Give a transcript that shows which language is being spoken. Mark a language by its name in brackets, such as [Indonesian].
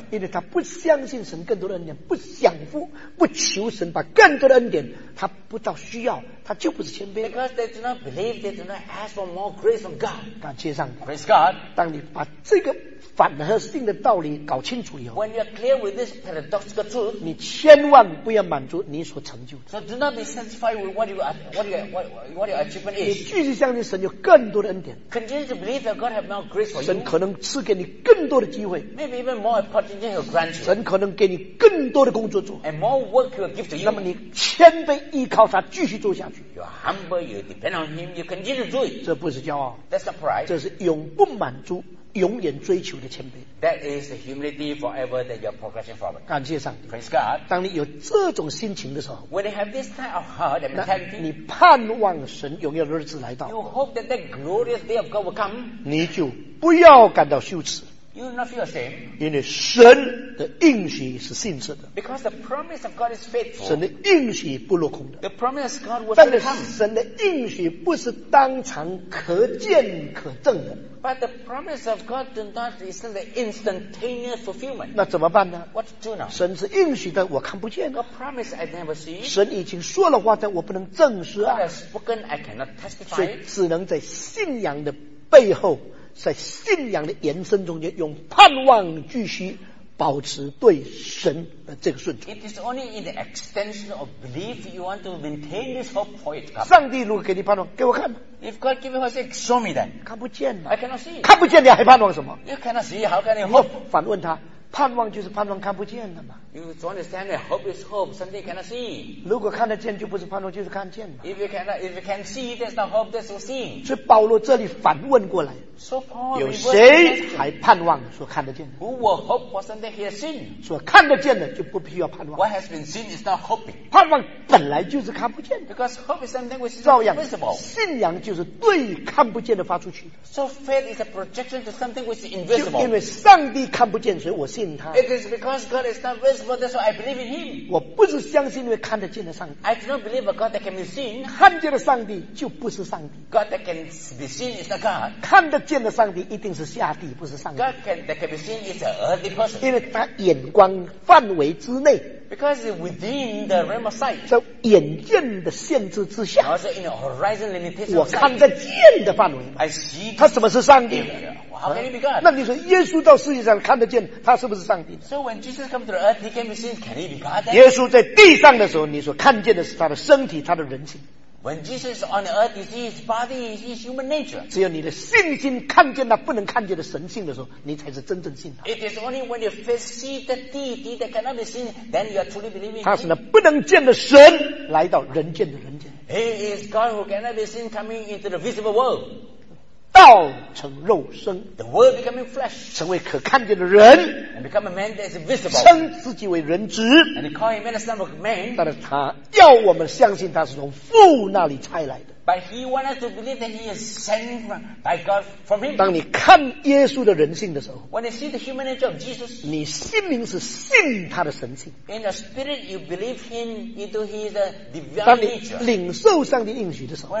[Chinese] 因为他不相信神更多的恩典，不享福，不求神把更多的恩典，他不到需要，他就不是谦卑。 [English] Because they do not believe, they do not ask for more grace from God. [Chinese] 感谢上帝。 [English] Praise God. [Chinese] 当你把这个反合性的道理搞清楚以后， [English] When you are clear with this paradoxical truth, [Chinese] 你千万不要满足你所成就的。 [English] So do not be satisfied with what your achievement is. [Chinese] 你继续相信神有更多的恩典。 [English] Continue to believe that God has more grace for you. [Chinese] 神可能赐给你更多的机会。 [English] Maybe even more opportunity will grant you. [Chinese] 神可能给你更多的工作做。 [English] And more work will give to you. [Chinese] 那么你谦卑依靠他继续做下去。 [English] You are humble, you depend on him, you continue to do it. [Chinese] 这不是骄傲。 [English] That's not pride. [Chinese] 这是永不满足。永远追求的谦卑。 [English] That is the humility forever that you're progressing forward. [Chinese] 感谢上帝。 [English] Praise God. [Chinese] 当你有这种心情的时候， [English] When you have this type of heart and mentality, [Chinese] 你盼望神永远的日子来到。 [English] You hope that that glorious day of God will come. [Chinese] 你就不要感到羞耻。 [English] You will not feel ashamed. [Chinese] 因为神的应许是信实的。 [English] Because the promise of God is faithful. [Chinese] 神的应许不落空的。 [English] The promise of God will come. [Chinese] 但是神的应许不是当场可见可证的。 [English] But the promise of God does not is the instantaneous fulfillment. [Chinese] 那怎么办呢？ [English] What to do now? [Chinese] 神是应许的，我看不见。 [English] A promise I never see. [Chinese] 神已经说了话，但我不能证实啊。 [English] God has spoken, I cannot testify. [Chinese] 所以只能在信仰的背后，在信仰的延伸中间，用盼望继续保持对神的这个顺从。 [English] It is only in the extension of belief you want to maintain this hope for it. [Chinese] 上帝如果给你盼望，给我看。 [English] If God give me hope, show me then. [Chinese] 看不见 [English] 了。I cannot see. [Chinese] 看不见你还盼望什么？ [English] You cannot see, how can you hope? [Chinese] 我反问他，盼望就是盼望看不见的嘛。 [English] You don't understand that hope is hope, something you cannot see. [Chinese] 如果看得见就不是盼望，就是看见嘛。 [English] If you can see, there's no hope, there's no seeing. [Chinese] 所以保罗这里反问过来。 [English] So Paul, [Chinese] 有谁还盼望说看得见的？ [English] Who will hope for something he has seen? [Chinese] 说看得见的就不需要盼望。 [English] What has been seen is not hoping. [Chinese] 盼望本来就是看不见的。 [English] Because hope is something which is invisible. [Chinese] 信仰就是对看不见的发出去。 [English] So faith is a projection to something which is invisible. [Chinese] 因为上帝看不见，所以我信他。 [English] It is because God is not visible, that's why I believe in him. [Chinese] 我不是相信因为看得见的上帝。 [English] I do not believe a God that can be seen. [Chinese] 看见的上帝就不是上帝。 [English] God that can be seen is not God. [Chinese] 看得见的上帝一定是下帝，不是上帝。 [English] God can be seen is an earthly person. [Chinese] 因为他眼光范围之内。 [English] Because within the realm of sight. [Chinese] 在眼见的限制之下。 [English] Also in the horizon limitation. [Chinese] 我看在见的范围。 [English] I see. [Chinese] 他什么是上帝？ [English] How can he be God? [Chinese] 那你说耶稣到世界上看得见，他是不是上帝？ [English] So when Jesus comes to the earth, he can be seen. Can he be God? [Chinese] 耶稣在地上的时候，你说看见的是他的身体，他的人性。 [English] When Jesus is on the earth, you see his body, you see his human nature. [Chinese] 只有你的信心看见那不能看见的神性的时候，你才是真正信他。 [English] It is only when you first see the deity that cannot be seen, then you are truly believing. [Chinese] 他是那不能见的神来到人间的人间。 [English] He is God who cannot be seen coming into the visible world. [Chinese] 道成肉身 [English] The word becoming flesh, [Chinese] 成为可看见的人 [English] and become a man that is visible, [Chinese] 称自己为人子 [English] and call him as a son of man, [Chinese] 但是他要我们相信他是从父那里差来的 [English] But he wants us to believe that he is sent by God from him. [Chinese] 当你看耶稣的人性的时候 [English] When you see the human nature of Jesus, [Chinese] 你心灵是信他的神性 [English] In the spirit you believe him into his divine nature. [Chinese] 当你领受上帝应许的时候